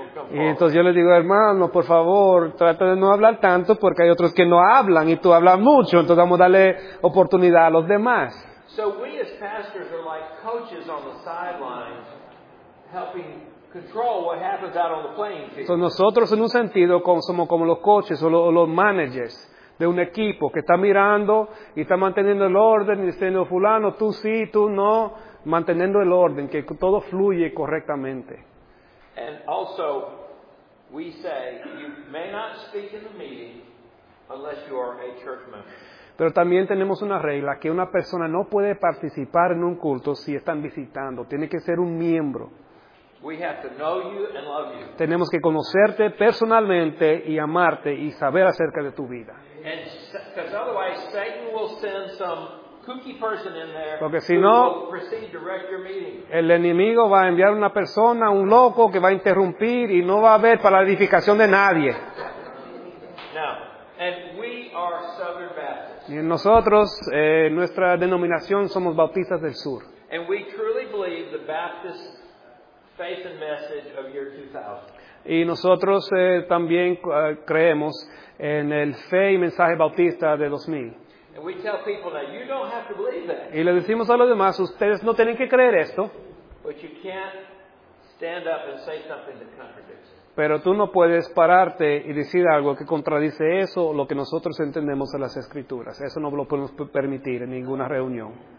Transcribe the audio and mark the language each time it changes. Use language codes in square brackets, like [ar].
[es] Y entonces yo les digo, hermano, por favor, trata de no hablar tanto porque hay otros que no hablan y tú hablas mucho. Entonces vamos a darle oportunidad a los demás. [en] So we as pastors are like coaches on the sidelines, helping control what happens out on the playing field. [es] So nosotros en un sentido somos como los coaches o los managers de un equipo que está mirando y está manteniendo el orden y diciendo fulano, tú sí, tú no, manteniendo el orden, que todo fluye correctamente. [en] And also, we say you may not speak in the meeting unless you are a church member. [es] Pero también tenemos una regla que una persona no puede participar en un culto si están visitando. Tiene que ser un miembro. [en] We have to know you and love you. [es] Tenemos que conocerte personalmente y amarte y saber acerca de tu vida. [en] Because otherwise Satan will send some kooky person in there. [es] Porque si no, el enemigo va a enviar una persona, un loco, que va a interrumpir y no va a haber para la edificación de nadie. [en] Now, and we are Southern Baptists. [es] Y nosotros, nuestra denominación, somos Bautistas del Sur. [en] And we truly believe the Baptist faith and message of year 2000. [es] Y nosotros también creemos en el fe y mensaje bautista de 2000. [en] And we tell people that you don't have to believe that. [es] Y le decimos a los demás, ustedes no tienen que creer esto. [en] But you can't stand up and say something that contradicts. [es] Pero tú no puedes pararte y decir algo que contradice eso, lo que nosotros entendemos en las Escrituras. Eso no lo podemos permitir en ninguna reunión.